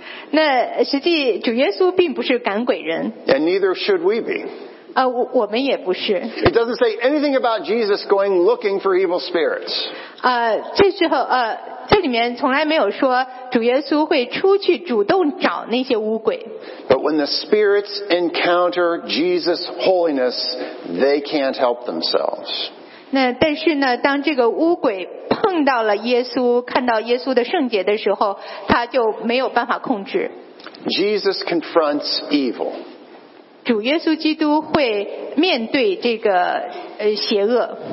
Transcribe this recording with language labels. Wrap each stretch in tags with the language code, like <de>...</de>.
<zh>那实际主耶稣并不是赶鬼人。</zh> <en>And neither should we be.</en> <zh>我们也不是。</zh> <en>It doesn't say anything about Jesus going looking for evil spirits.</en> <zh>这里面从来没有说主耶稣会出去主动找那些污鬼。</zh> <en>But when the spirits encounter Jesus' holiness, they can't help themselves.</en> <zh>但是呢，当这个污鬼碰到了耶稣，看到耶稣的圣洁的时候，他就没有办法控制。</zh> <en>Jesus confronts evil.</en> <zh>主耶稣基督会面对这个邪恶。</zh>